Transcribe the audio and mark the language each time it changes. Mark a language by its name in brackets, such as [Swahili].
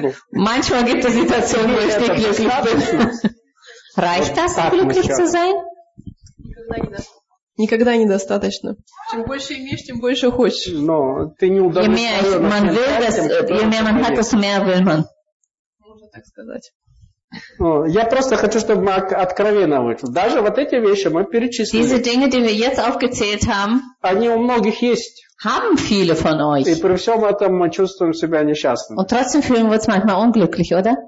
[German] Manchmal gibt es Situationen, wo ich nicht glücklich bin. Reicht das, glücklich zu sein? [Russian] Никогда недостаточно. Чем больше имеешь, тем больше хочешь. Но ты не удовлетворен. Можно так сказать. Я просто хочу, чтобы мы откровенно вышли. Даже вот эти вещи мы перечислили. [German] Diese Dinge, die wir jetzt aufgezählt haben, [Russian] они у многих есть. [German] Haben viele von euch. [Russian] И при всем этом мы чувствуем себя несчастными. [German] Und trotzdem fühlen wir uns manchmal unglücklich, oder?